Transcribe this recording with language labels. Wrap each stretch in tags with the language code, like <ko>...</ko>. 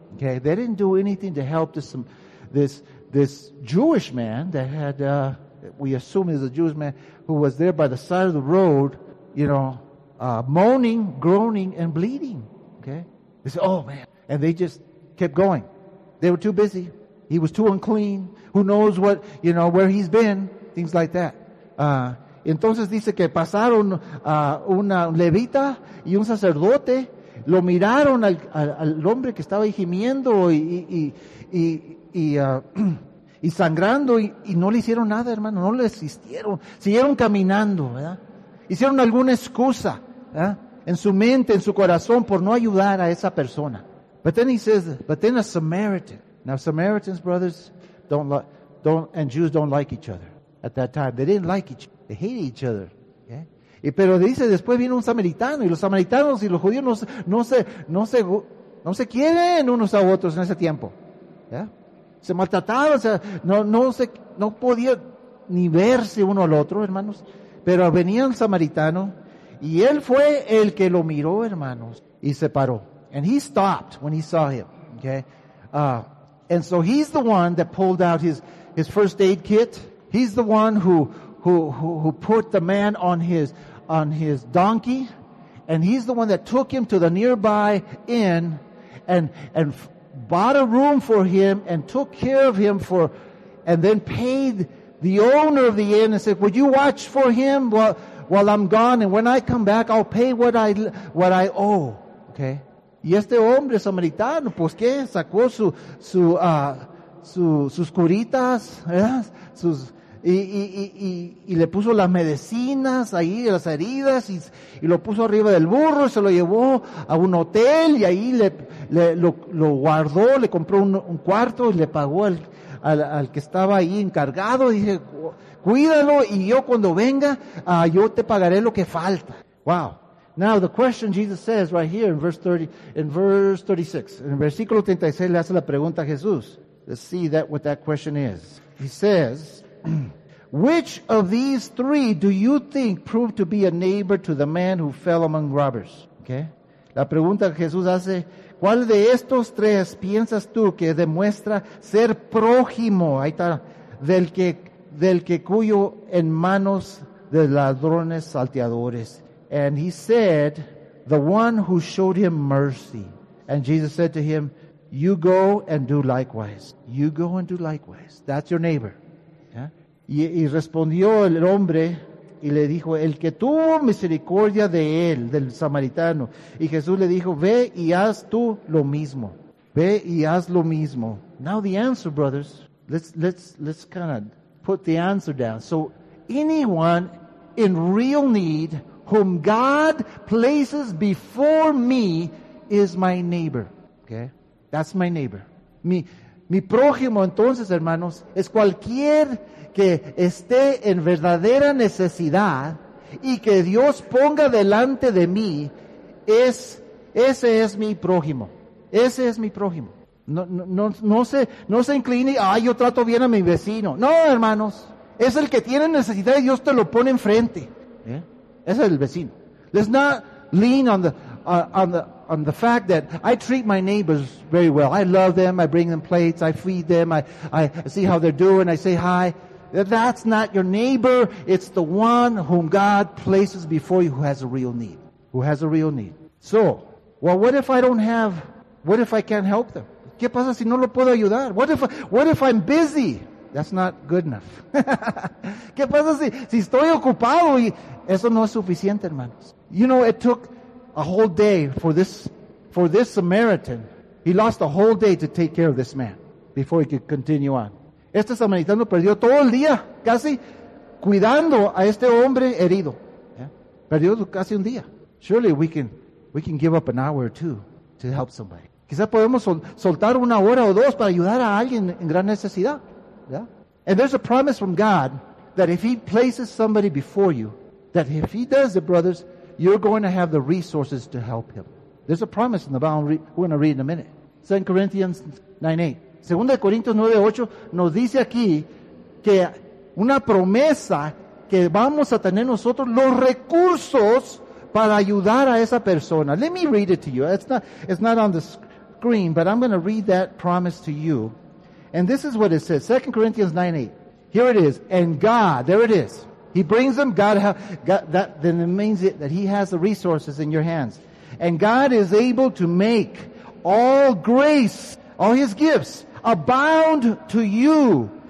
<en>Okay, they didn't do anything to help this Jewish man that had, we assume is a Jewish man, who was there by the side of the road, you know, moaning, groaning, and bleeding. Okay, they said, oh man, and they just kept going. They were too busy. He was too unclean. Who knows what, you know, where he's been, things like that.</en> <es>Entonces dice que pasaron una levita y un sacerdote, lo miraron al hombre que estaba ahí gimiendo y sangrando y no le hicieron nada, hermano, no le asistieron, siguieron caminando, ¿verdad? Hicieron alguna excusa, ¿verdad? En su mente, en su corazón, por no ayudar a esa persona.</es> <en>But then he says, but then a Samaritan. Now Samaritans, brothers, and Jews don't like each other at that time. They didn't like each other. They hated each other. Yeah?</en> <es>Y pero dice, después viene un samaritano y los samaritanos y los judíos no se quieren unos a otros en ese tiempo. Yeah? Se maltrataban, no podían ni verse uno al otro, hermanos. Pero venía un samaritano y él fue el que lo miró, hermanos, y se paró.</es> <en>And he stopped when he saw him. Okay? And so he's the one that pulled out his first aid kit. He's the one who put the man on his donkey, and he's the one that took him to the nearby inn and bought a room for him and took care of him and then paid the owner of the inn and said, "Would you watch for him while I'm gone, and when I come back, I'll pay what I owe." Okay.</en> <es>Y este hombre samaritano, pues qué, sacó sus curitas, ¿verdad? Y le puso las medicinas ahí, las heridas, y lo puso arriba del burro y se lo llevó a un hotel y ahí lo guardó, le compró un cuarto y le pagó al que estaba ahí encargado. Dije, cuídalo y yo cuando venga, yo te pagaré lo que falta.</es> <en>Wow. Now the question Jesus says right here in</en> <es>versículo 36 le hace la pregunta a Jesús.</es> <en>Let's see what that question is. He says, "Which of these three do you think proved to be a neighbor to the man who fell among robbers?" Okay.</en> <es>La pregunta que Jesús hace, ¿cuál de estos tres piensas tú que demuestra ser prójimo? Ahí está, del que cuyo en manos de ladrones salteadores.</es> <en>And he said, "The one who showed him mercy." And Jesus said to him, "You go and do likewise." You go and do likewise. That's your neighbor. Yeah?</en> <es>Y respondió el hombre y le dijo, "El que tuvo misericordia de él, del samaritano." Y Jesús le dijo, "Ve y haz tú lo mismo." Ve y haz lo mismo.</es> <en>Now the answer, brothers. Let's kind of put the answer down. So anyone in real need whom God places before me is my neighbor. Okay? That's my neighbor.</en> <es>Mi prójimo, entonces, hermanos, es cualquier que esté en verdadera necesidad y que Dios ponga delante de mí, ese es mi prójimo. Ese es mi prójimo. No se incline, ay, yo trato bien a mi vecino. No, hermanos, es el que tiene necesidad y Dios te lo pone enfrente. Yeah? Ese es el vecino.</es> <en>Let's not lean on the fact that I treat my neighbors very well. I love them. I bring them plates. I feed them. I see how they're doing. I say hi. That's not your neighbor. It's the one whom God places before you who has a real need. Who has a real need. So, well, what if I don't have, what if I can't help them?</en> <es>¿Qué pasa si no lo puedo ayudar?</es> <en>What if I'm busy? That's not good enough.</en> <es>¿Qué pasa si estoy ocupado? Y eso no es suficiente, hermanos.</es> <en>You know, it took a whole day for this Samaritan. He lost a whole day to take care of this man before he could continue on.</en> <es>Este samaritano perdió todo el día, casi cuidando a este hombre herido. Yeah? Perdió casi un día.</es> <en>Surely we can give up an hour or two to help somebody.</en> <es>Quizás podemos soltar una hora o dos para ayudar a alguien en gran necesidad.</es> <en>Yeah? And there's a promise from God that if he places somebody before you, that if he does it, brothers, you're going to have the resources to help him. There's a promise in the Bible. We're going to read in a minute. 2 Corinthians 9:8.</en> <es>2 Corintios 9:8 nos dice aquí que una promesa que vamos a tener nosotros los recursos para ayudar a esa persona.</es> <en>Let me read it to you. It's not on the screen, but I'm going to read that promise to you. And this is what it says, 2 Corinthians 9:8. Here it is. And God, there it is. He brings them, then it means that he has the resources in your hands. And God is able to make all grace, all his gifts, abound to you,</en>